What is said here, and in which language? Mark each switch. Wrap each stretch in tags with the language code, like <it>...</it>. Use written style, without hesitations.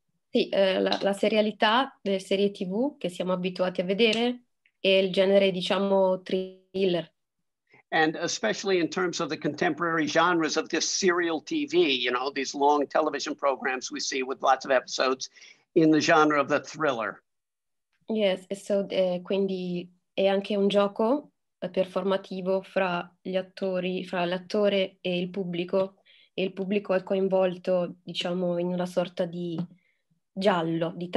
<it>Sì, la serialità delle serie TV che siamo abituati a vedere e il genere, diciamo, thriller.</it> <en>And especially in terms of the contemporary genres of this serial TV, you know, these long television programs we see with lots of episodes, in the genre of the thriller. Yes, so</en> <it>quindi è anche un gioco performativo fra gli attori, fra l'attore e il pubblico, e il pubblico è coinvolto, diciamo, in una sorta di giallo.</it>